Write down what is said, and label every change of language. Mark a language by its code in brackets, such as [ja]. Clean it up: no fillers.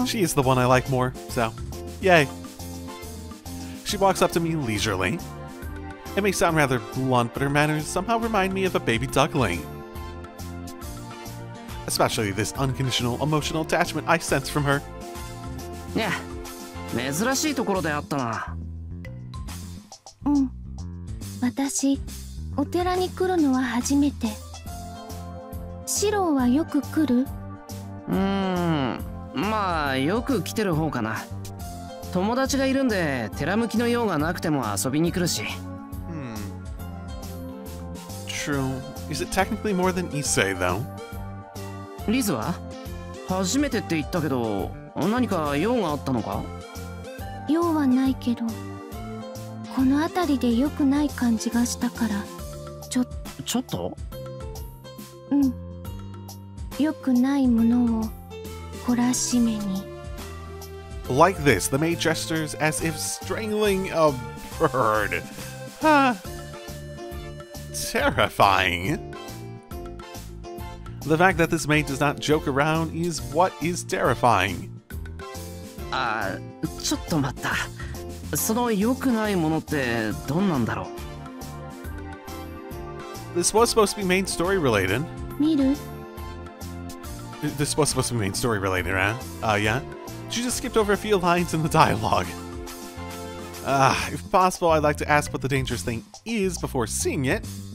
[en] She is the one I like more, so, yay! She walks up to me leisurely. It may sound rather blunt, but her manners somehow remind me of a baby duckling. Especially this unconditional emotional attachment I sense from her. [ja] Yeah, 珍しいところで会ったな。うん、私、お寺に来るのは初めて。シロはよく来る? まあよく来てる方かな。友達がいるんで寺向きの用がなくても遊びに来るし。 [en] True. Is it technically more than Issei, though? [ja] Liz は? 初めてって言ったけど、何か用があったのか? 用はないけど、この辺りで良くない感じがしたから、ちょっと? うん。良くないものを懲らしめに。 [en] Like this, the maid gestures as if strangling a bird. Terrifying. The fact that this maid does not joke around is what is terrifying. [ja] ちょっと待った。その良くないものってどんなんだろう? [en] This was supposed to be main story related. [ja] 見る? [en] This was supposed to be main story related, huh? Yeah? She just skipped over a few lines in the dialogue. If possible, I'd like to ask what the dangerous thing is before seeing it.